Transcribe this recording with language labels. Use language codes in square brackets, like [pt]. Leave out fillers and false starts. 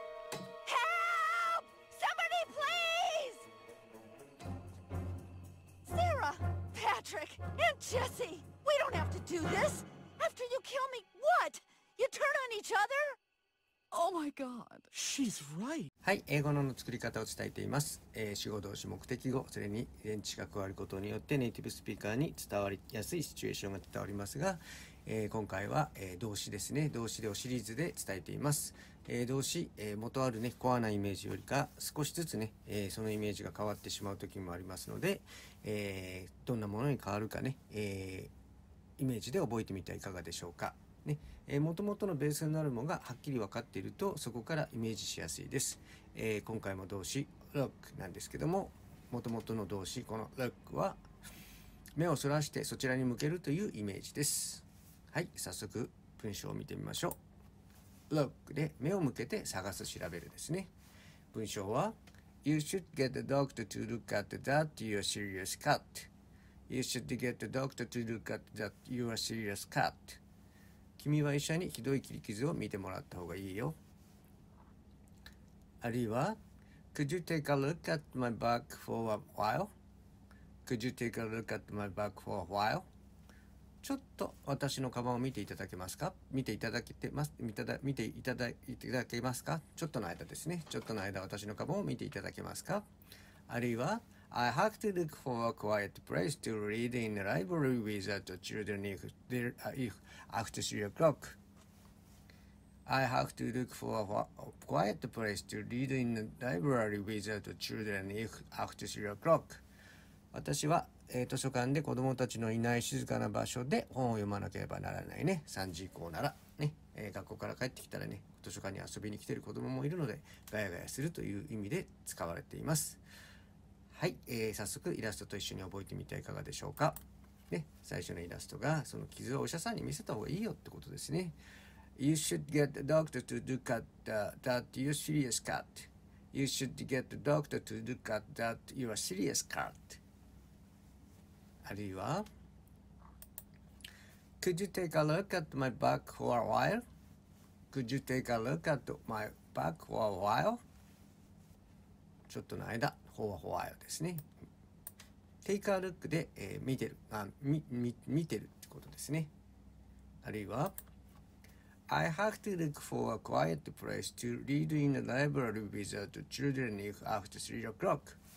[en] Help! Somebody please! Sarah, Patrick, and Jesse! We don't have to do this! After you kill me, what? You turn on each other? Oh my god. She's right. [ja] はい、英語の作り方を伝えています。主語動詞目的語、それに連詞が加わることによってネイティブスピーカーに伝わりやすいシチュエーションが伝わりますが、今回は、動詞ですね。動詞でをシリーズで伝えています。動詞、元あるね、コアなイメージよりか少しずつね、そのイメージが変わってしまう時もありますので、どんなものに変わるかね、イメージで覚えてみてはいかがでしょうかね。もともとのベースになるものがはっきり分かっていると、そこからイメージしやすいです。今回も動詞 look なんですけども、もともとの動詞この look は目をそらしてそちらに向けるというイメージです。はい、早速文章を見てみましょう。 look で目を向けて探す、調べるですね。文章は [en] You should get the doctor to look at that you're serious cut. You should get the doctor to look at that you're serious cut. [ja] 君は医者にひどい切り傷を見てもらった方がいいよ。あるいは [en] Could you take a look at my back for a while? Could you take a look at my back for a while? [ja] ちょっと私のカバンを見ていただけますか？見ていただけますか？ちょっとの間ですね。ちょっとの間私のカバンを見ていただけますか？あるいは [en] I have to look for a quiet place to read in the library without the children if they're, if after 3 o'clock. I have to look for a quiet place to read in the library without the children if after 3 o'clock. [ja] 私は、図書館で子供たちのいない静かな場所で本を読まなければならないね。 3時以降ならね、学校から帰ってきたらね、図書館に遊びに来ている子供もいるので、ガヤガヤするという意味で使われています。はい、早速イラストと一緒に覚えてみてはいかがでしょうか、ね、最初のイラストがその傷をお医者さんに見せた方がいいよってことですね。 [en] You should get the doctor to look at that you're serious cut. You should get the doctor to look at that you're serious cut. [ja] あるいは [en] Could you take a look at my back for a while? Could you take a look at my back for a while? [ja] ちょっとの間ホワホワよですね。 [en] Take a look [ja] で、見てる、見てるってことですね。あるいは [en] I have to look for a quiet place to read in the library without children if after 3 o'clock.